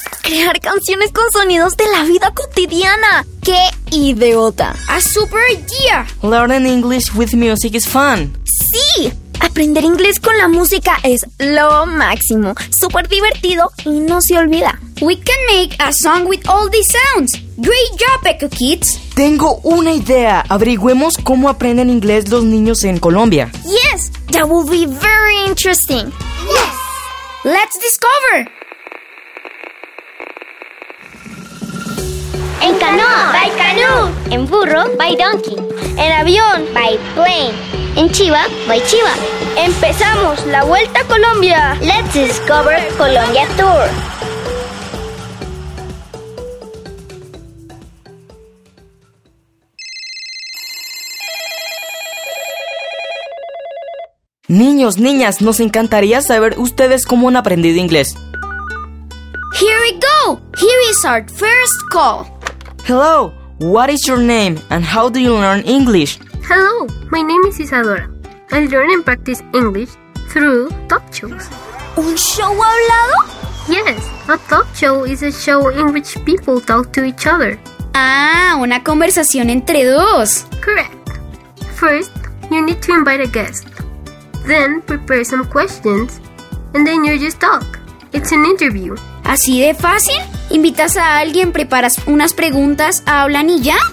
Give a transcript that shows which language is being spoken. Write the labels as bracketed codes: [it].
[es] Crear canciones con sonidos de la vida cotidiana. ¡Qué idiota! [en] A super idea. Learning English with music is fun. [es] Sí. Aprender inglés con la música es lo máximo. Super divertido y no se olvida. [en] We can make a song with all these sounds. Great job, Echo Kids. [es] Tengo una idea. Averigüemos cómo aprenden inglés los niños en Colombia. [en] Yes, that will be very interesting. Yes. Let's discover. [es] En canoa, [en] by canoe. [es] En burro, [en] by donkey. [es] En avión, [en] by plane. [es] En chiva, [en] by chiva. [es] Empezamos la Vuelta a Colombia. [en] Let's discover Colombia Tour. [es] Niños, niñas, nos encantaría saber ustedes cómo han aprendido inglés. [en] Here we go. Here is our first call. Hello, what is your name and how do you learn English? Hello, my name is Isadora. I learn and practice English through talk shows. [es] ¿Un show hablado? [en] Yes, a talk show is a show in which people talk to each other. [es] Ah, una conversación entre dos. [en] Correct. First, you need to invite a guest. Then prepare some questions, and then you just talk. It's an interview. [es] ¿Así de fácil? ¿Invitas a alguien, preparas unas preguntas, hablan y ya?